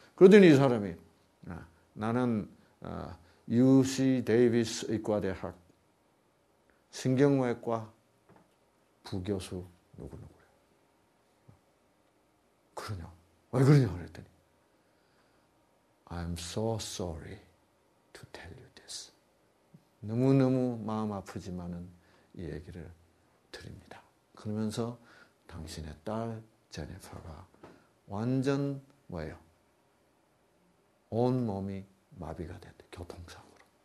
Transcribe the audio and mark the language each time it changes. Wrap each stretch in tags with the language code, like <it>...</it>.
<ko>그러더니 이 사람이 나는 UC 데이비스 의과대학 신경외과 부교수 누구누구래. 그러냐? 왜 그러냐? 그랬더니</ko> <en>I'm so sorry to tell you this.</en> <ko>너무너무 마음 아프지만은 이 얘기를 드립니다. 그러면서 당신의 딸 제니퍼가 완전 뭐예요? 온몸이 마비가 됐대. 교통사고로.</ko>